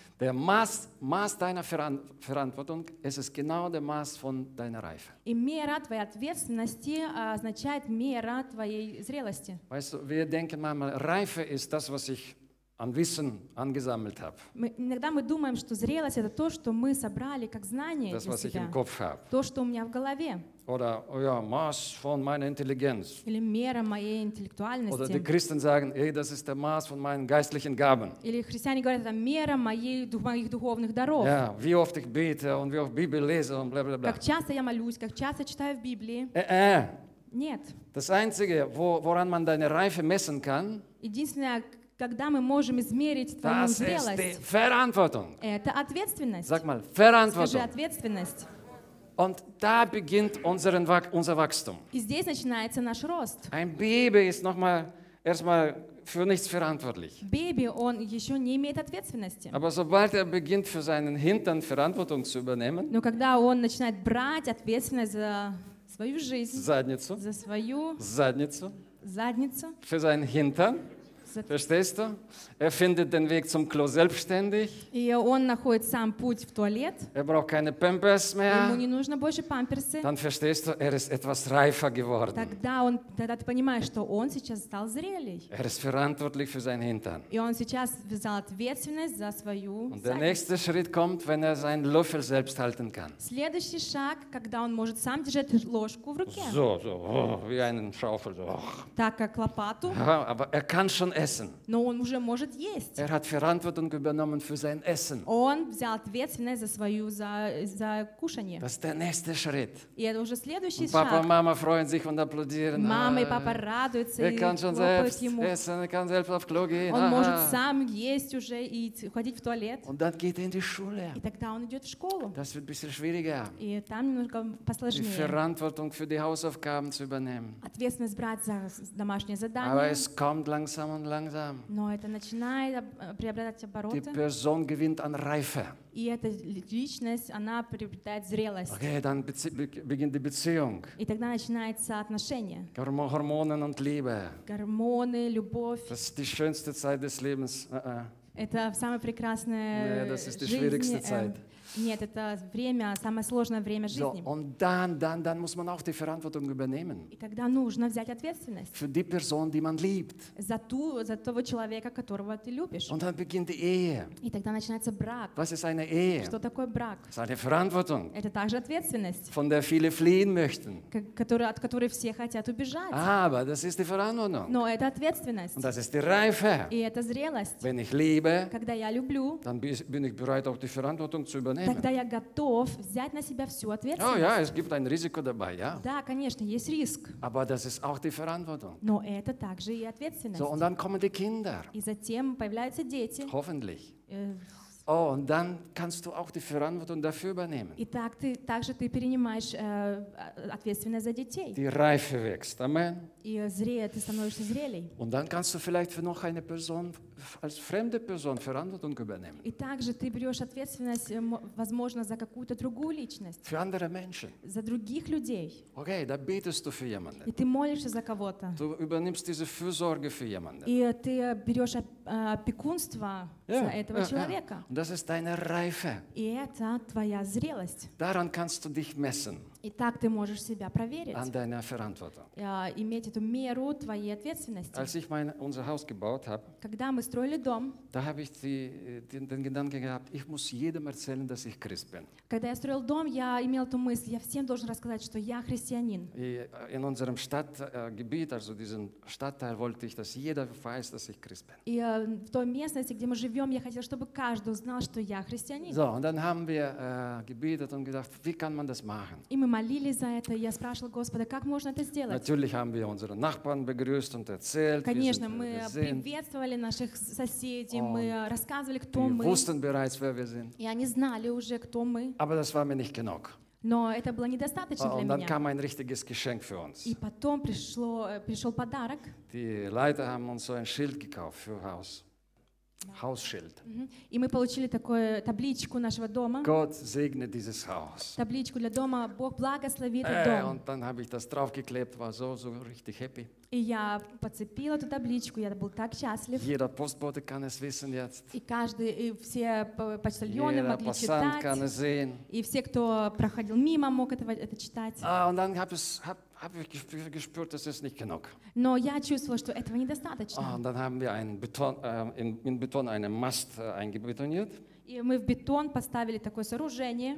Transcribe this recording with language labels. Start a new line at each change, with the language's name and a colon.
German: Der Maß deiner Verantwortung, es ist genau der Maß von deiner Reife.
Russian: И мера твоей ответственности означает мера твоей зрелости.
German: Weißt du, wir denken manchmal, Reife ist das, was ich an Wissen angesammelt habe.
Russian: Мы иногда мы думаем, что зрелость это то, что мы собрали как знание.
German: Das, was ich im Kopf habe.
Russian: То, что у меня в голове.
German: Oder ja, Maß von meiner Intelligenz.
Russian: Или мера моей интеллектуальности.
German: Oder die Christen sagen, hey, das ist der Maß von meinen geistlichen Gaben.
Russian: Или христиане говорят, это мера моих духовных даров.
German: Ja, wie oft ich bete und wie oft Bibel lese und bla bla bla.
Russian: Как часто я молюсь, как часто читаю в Библии. Нет.
German: Das Einzige, woran man deine Reife messen kann.
Russian: Единственное, когда мы можем измерить твою
German: das
Russian: зрелость.
German: Das ist die Verantwortung.
Russian: Это ответственность.
German: Sag mal, Verantwortung.
Russian: Скажи ответственность.
German: Und da beginnt unser Wachstum.
Russian: И здесь начинается наш рост.
German: Ein Baby ist nochmal erstmal für nichts verantwortlich.
Russian: Baby, он еще не имеет ответственности.
German: Aber sobald beginnt für seinen Hintern Verantwortung zu übernehmen,
Russian: но когда он начинает брать ответственность за свою жизнь, задницу, за свою задницу, задницу,
German: für seinen Hintern. Verstehst du? Findet den Weg zum Klo selbstständig.
Russian: И он находит сам путь в туалет.
German: Braucht keine Pampers mehr.
Russian: Ему не нужно больше памперсы.
German: Dann verstehst du, ist etwas reifer geworden.
Russian: Тогда ты понимаешь, что он сейчас стал зрелей.
German: Ist verantwortlich für seinen Hintern.
Russian: И он сейчас взял ответственность за свою задницу.
German: Der nächste Schritt kommt, wenn seinen Löffel selbst halten kann.
Russian: Следующий шаг, когда он может сам держать ложку в руке.
German: So, wie einen Schaufel.
Russian: Так как лопату.
German: Aber kann schon essen.
Russian: Но он уже может есть.
German: Hat Verantwortung übernommen für sein Essen.
Russian: Он взял ответственность за свою за кушание.
German: Das ist der nächste Schritt.
Russian: И это уже следующий
German: Papa,
Russian: шаг.
German: Papa, Mama freuen sich und applaudieren.
Russian: Мама и папа радуются
German: и kann schon selbst essen, kann selbst auf Klo gehen.
Russian: Он может сам есть уже и ходить в туалет.
German: Und dann geht in die Schule.
Russian: И тогда он идет в школу.
German: Das wird ein bisschen schwieriger.
Russian: И там немножко посложнее.
German: Die Verantwortung für die Hausaufgaben zu übernehmen.
Russian: Ответственность брать за домашнее задание.
German: Aber es kommt langsam.
Russian: Но это начинает приобретать обороты.
German: Die Person gewinnt an Reife.
Russian: И эта личность, она приобретает зрелость.
German: Okay, dann beginnt die Beziehung.
Russian: И тогда начинается отношение.
German: Гормоны und Liebe.
Russian: Гормоны, любовь.
German: Das ist die schönste Zeit des Lebens.
Russian: Это самое прекрасное в жизни. Нет, это время, самое сложное время жизни.
German: Und dann muss man auch die Verantwortung übernehmen.
Russian: И тогда нужно взять ответственность.
German: Für die Person, die man liebt.
Russian: За того человека, которого ты любишь.
German: Und dann beginnt die Ehe.
Russian: И тогда начинается брак.
German: Was ist eine Ehe?
Russian: Что такое брак?
German: Das ist eine Verantwortung.
Russian: Это также ответственность.
German: Von der viele fliehen möchten.
Russian: От которой все хотят убежать.
German: Aber das ist die Verantwortung.
Russian: Но это ответственность.
German: Und das ist die Reife.
Russian: И это зрелость.
German: Wenn ich liebe,
Russian: когда я люблю,
German: dann bin ich bereit, auch die Verantwortung zu übernehmen.
Russian: Тогда я готов взять на себя всю ответственность.
German: Oh, ja, es gibt ein Risiko dabei, ja.
Russian: Да, конечно, есть риск.
German: Aber das ist auch die Verantwortung.
Russian: Но это также и ответственность.
German: So, und dann kommen die Kinder. И затем появляются дети. Hoffentlich. Oh, und dann kannst du auch die Verantwortung dafür übernehmen.
Russian: И так ты, также ты перенимаешь ответственность за детей.
German: Die Reife wächst, amen.
Russian: И зреет, ты становишься зрелей.
German: Und dann kannst du vielleicht für noch eine Person, als fremde Person, Verantwortung übernehmen.
Russian: И также ты берешь ответственность, возможно, за какую-то другую личность.
German: Für andere Menschen.
Russian: За других людей.
German: Okay, da betest du für jemanden.
Russian: И ты молишься за кого-то.
German: Du übernimmst diese Fürsorge für jemanden.
Russian: И ты берешь опекунство за этого человека.
German: Das ist deine Reife.
Russian: И это твоя зрелость.
German: Daran kannst du dich messen.
Russian: И так ты можешь себя проверить.
German: An deiner Verantwortung.
Russian: Иметь эту меру твоей ответственности.
German: Als ich unser Haus gebaut habe,
Russian: когда мы строили дом,
German: da habe ich den Gedanken gehabt, ich muss jedem erzählen, dass ich Christ bin.
Russian: Когда я строил дом, я имел эту мысль, я всем должен рассказать, что я христианин.
German: И in unserem Stadtgebiet, also diesen Stadtteil, wollte ich, dass jeder weiß, dass ich Christ bin.
Russian: И в той местности, где мы живем, я хотел, чтобы каждый узнал, что я христианин.
German: So, und dann haben wir gebetet und gedacht, wie kann man das machen?
Russian: Мы молились за это, и я спрашивал Господа, как можно это сделать?
German: Natürlich haben wir unsere Nachbarn begrüßt und erzählt,
Russian: конечно, мы приветствовали наших соседей, мы рассказывали, кто мы.
German: Wussten bereits, wer wir sind.
Russian: И они знали уже, кто мы.
German: Aber das war mir nicht genug.
Russian: Но это было недостаточно для
German: und
Russian: меня.
German: Und dann kam ein richtiges Geschenk für uns.
Russian: И потом пришел подарок.
German: Die Leiter haben uns so ein Schild gekauft für Haus. Hausschild.
Russian: И мы получили такую табличку нашего дома.
German: Gott segne dieses Haus.
Russian: Табличку для дома. Бог благослови этот дом.
German: Und dann habe ich das draufgeklebt, war so richtig happy.
Russian: И я подцепил эту табличку, я был так счастлив.
German: Jeder Postbote kann es wissen jetzt.
Russian: И каждый, и все почтальоны могли читать.
German: Jeder Passant kann es sehen.
Russian: И все, кто проходил мимо, мог это читать.
German: Und dann habe ich gespürt, das ist nicht genug.
Russian: Но я чувствовал, что этого недостаточно.
German: Und dann haben wir einen Beton, in Beton einen Mast eingebetoniert.
Russian: И мы в бетон поставили такое сооружение.